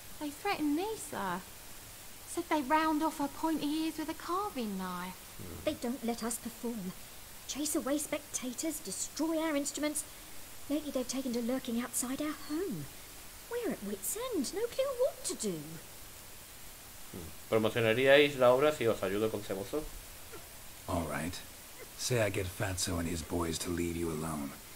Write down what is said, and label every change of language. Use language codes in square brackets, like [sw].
[en] They threatened me, sir. Said they round off her pointy ears with a carving knife. They don't let us perform. Chase away spectators, destroy our instruments. Lately they've taken to lurking outside our home. We're at wit's end, no clue what to do. [es] ¿Promocionaríais la obra si os ayudo con Cebozo? [en] All right. Say I get Fatso and his boys to leave you alone.